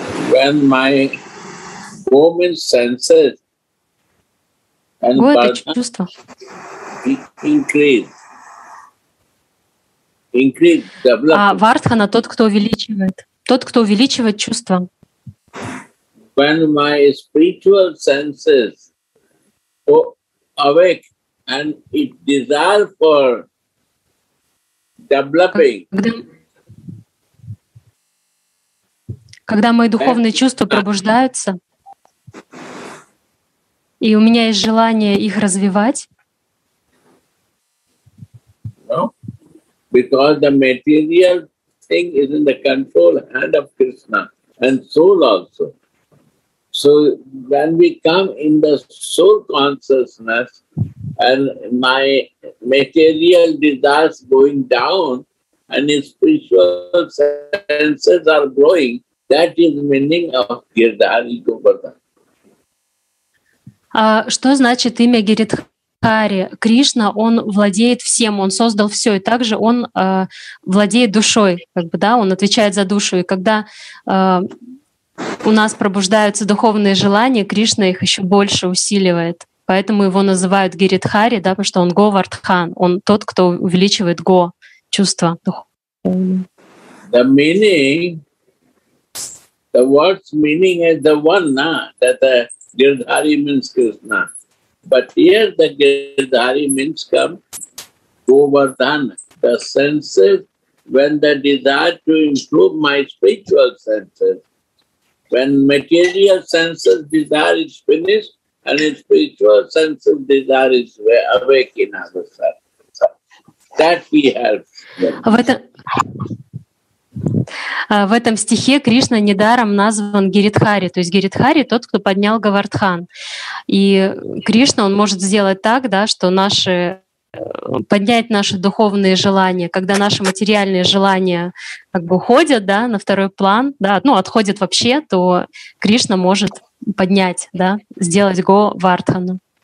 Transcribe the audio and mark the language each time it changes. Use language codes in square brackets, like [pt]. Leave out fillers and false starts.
[en] When my woman senses and [ru] вот это чувство. [en] Increase, [ru] а Вардхана — тот, кто увеличивает. Тот, кто увеличивает чувства. [en] When my spiritual senses awake, and it desire for developing. [ru] Когда мои духовные чувства пробуждаются, и у меня есть желание их развивать. [en] No, because the material thing is in the control hand of Krishna and soul also. So when we come in the soul consciousness, and my material desires going down, and his spiritual senses are growing. That is meaning of Giridhari Govardhan. [ru] Что значит имя Гиридхари? Кришна, он владеет всем, он создал все, и также он владеет душой, как бы, да, он отвечает за душу. И когда у нас пробуждаются духовные желания, Кришна их еще больше усиливает. Поэтому его называют Гиридхари, да, потому что он Говардхан, он тот, кто увеличивает го, чувства духовные. [en] The meaning, the word's meaning is the one, na, that the Giridhari means Krishna. But here the Giridhari means come Govardhan, the senses, when the desire to improve my spiritual senses, when material senses desire is finished, and its spiritual sense of desire is awake in other side. So that he helps. [ru] В этом стихе Кришна недаром назван Гиридхари. То есть Гиридхари — тот, кто поднял Говардхан. И Кришна, он может сделать так, да, что наши, поднять наши духовные желания, когда наши материальные желания как бы уходят, да, на второй план, да, ну, отходят вообще, то Кришна может поднять, да, сделать го Вардхану.